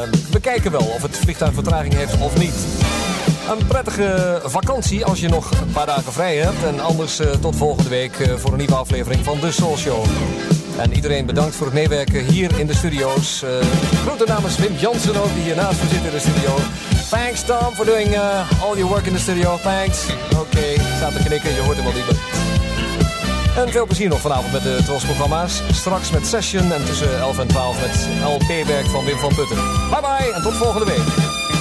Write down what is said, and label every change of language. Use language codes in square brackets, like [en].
[nl] We kijken wel of het vliegtuig vertraging heeft of niet. Een prettige vakantie als je nog een paar dagen vrij hebt. En anders tot volgende week voor een nieuwe aflevering van de Soul Show. En iedereen bedankt voor het meewerken hier in de studio's. Groeten namens Wim Jansen ook, die hier naast me zit in de studio. [en] Thanks, Tom, for doing all your work in the studio. [nl] Thanks. Oké, staat te knikken. Je hoort hem al liever. En veel plezier nog vanavond met de Tros-programma's. Straks met Session en tussen 11 en 12 met LP-werk van Wim van Putten. Bye-bye en tot volgende week.